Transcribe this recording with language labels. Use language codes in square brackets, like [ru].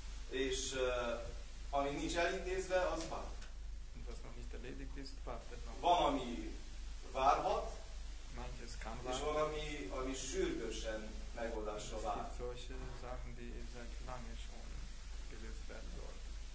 [hu] És ami nincs elintézve, az vár. [de] Und was noch nicht erledigt ist, wartet noch. [hu] Van, ami várhat. [de] Manches kann [hu] warten. És van, ami, ami sürgősen megoldásra vár. [de] Es gibt solche Sachen, die seit lange schon gelöst werden sollten.